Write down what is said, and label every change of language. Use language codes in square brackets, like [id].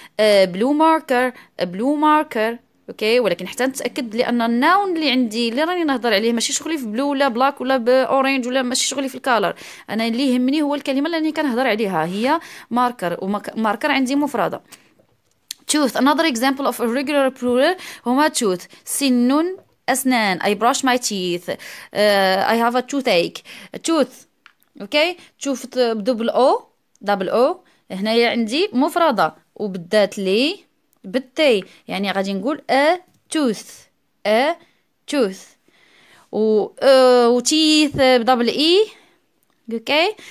[ar] بلو ماركر، بلو ماركر، اوكي. ولكن حتى نتاكد لان الناون اللي عندي اللي راني نهضر عليه ماشي شغلي في بلو ولا بلاك ولا باورينج ولا ماشي شغلي في الكالر، انا اللي يهمني هو الكلمه اللي راني كنهضر عليها هي ماركر، وماركر عندي مفرده. [en] tooth, another example of a regular plural [ar] هما توث، سن اسنان، [en] I brush my teeth، I have a toothache، tooth, okay. [ar] توث بدبل او، دبل او، هنايا عندي مفرده وبدات لي بالتي، يعني غادي نقول [en] a tooth، a tooth. [ar] و teeth بدبل اي، اوكي.